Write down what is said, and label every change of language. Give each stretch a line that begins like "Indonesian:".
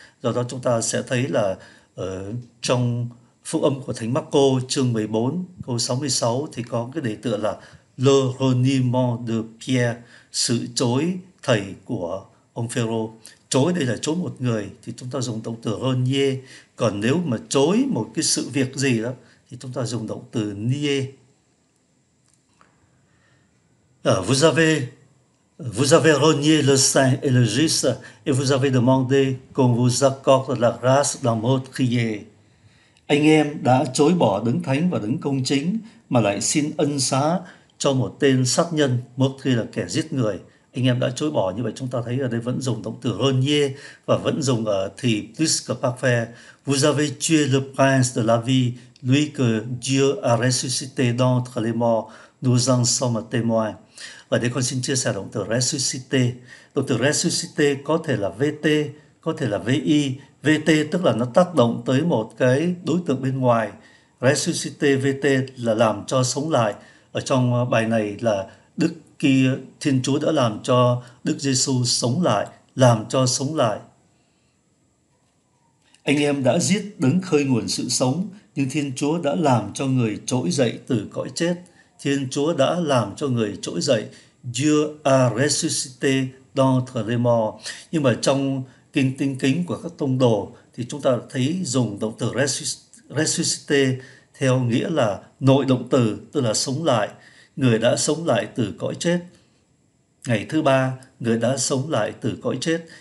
Vietnamese: Do đó chúng ta sẽ thấy là trong Phúc âm của Thánh Marco chương 14 câu 66 thì có cái đề tựa là
French: Le reniement de Pierre,
Vietnamese: sự chối thầy của ông Phêrô. Chối đây là chối một người thì chúng ta dùng động từ renier, còn nếu mà chối một cái sự việc gì đó thì chúng ta dùng động từ nier.
French: Vous avez renié le saint et le juste et vous avez demandé qu'on vous accorde la grâce d'en meurtrier.
Vietnamese: Anh em đã chối bỏ đấng thánh và đấng công chính mà lại xin ân xá cho một tên sát nhân, mất khi là kẻ giết người. Anh em đã chối bỏ. Như vậy chúng ta thấy ở đây vẫn dùng động từ renier và vẫn dùng ở thì plus que parfait.
French: Vous avez tué le prince de la vie, lui que Dieu a ressuscité d'entre les morts, nous en sommes témoins.
Vietnamese: Và đây con xin chia sẻ động từ ressuscité. Động từ ressuscité có thể là VT, có thể là VI. VT tức là nó tác động tới một cái đối tượng bên ngoài. Ressuscité VT là làm cho sống lại. Ở trong bài này là Đức kia Thiên Chúa đã làm cho Đức Giêsu sống lại, làm cho sống lại. Anh em đã giết đấng khơi nguồn sự sống, nhưng Thiên Chúa đã làm cho người trỗi dậy từ cõi chết. Thiên Chúa đã làm cho người trỗi dậy.
French: Dieu a ressuscité d'entre les morts.
Vietnamese: Nhưng mà trong Kinh Tin Kính của các tông đồ thì chúng ta thấy dùng động từ ressuscité theo nghĩa là nội động từ, tức là sống lại, người đã sống lại từ cõi chết. Ngày thứ ba, người đã sống lại từ cõi chết.